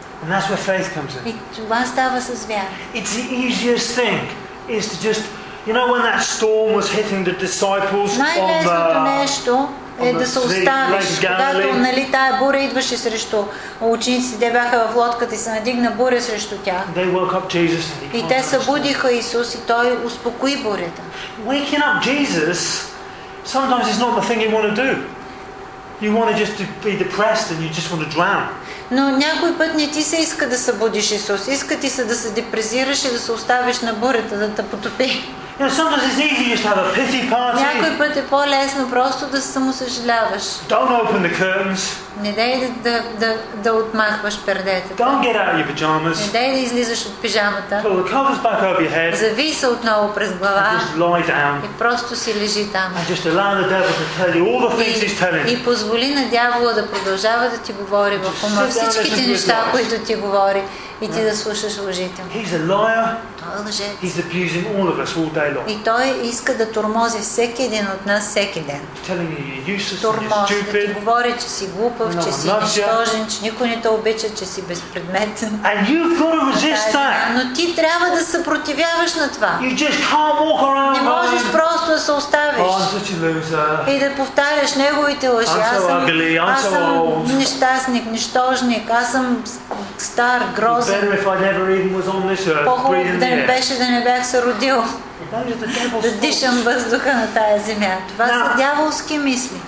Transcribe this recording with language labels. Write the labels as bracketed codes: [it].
[en] And that's where faith comes in. [bg] И това става с вяра. [en] It's the easiest thing is to just, you know, when that storm was hitting the disciples on the Lake of Galilee. [bg] Най-лесното нещо е да се оставиш, когато нали тая буря идваше срещу учениците, те бяха в лодката и се надигна буря срещу тях. [en] They woke up Jesus. [bg] И те събудиха Исус и той успокои бурята. [en] Waking up Jesus sometimes is not the thing you want to do. You want to just be depressed and you just want to drown. [bg] Но някой път не ти се иска да събудиш Исус. Иска ти се да се депресираш и да се оставиш на бурята да те потопи. [en] You know, sometimes it's easy just to have a pity party. [bg] Някой път е по-лесно просто да се самосъжаляваш. [en] Don't open the curtains. [bg] Не дей да отмахваш пердета. [en] Don't get out of your pajamas. [bg] Не дей да излизаш от пижамата. [en] Pull the covers back over your head. [bg] Зави се отново през глава. [en] And just lie down. [bg] И просто си лежи там. [en] And just allow the devil to tell you all the things he's telling. [bg] И позволи на дявола да продължава да ти говори в ума всичките неща, които ти говори. И ти да слушаш лъжите. [en] He's a liar. [bg] Той е лъжец. [en] He's abusing all of us all day long. [bg] И той иска да тормози всеки един от нас всеки ден. [en] Telling you you're useless, тормози, you're stupid. [bg] Да ти говори, че си глупав, че си нищожен, че никой не те обича, че си безпредметен. [en] And you've got to resist that. [bg] Но ти трябва да съпротивяваш на това. [en] You just can't walk around. [bg] Не можеш просто да се оставиш. [en] Oh, I'm such a loser. [bg] И да повтаряш неговите лъжи. [en] I'm so ugly. I'm so old. [bg] Аз съм нещастник, нищожник. Аз съм стар, гроб. [en] Better if I never even was on this earth, breathing the air. [bg] Да беше да не бях се родил. Да дишам въздуха на тая земя. Това са дяволски мисли.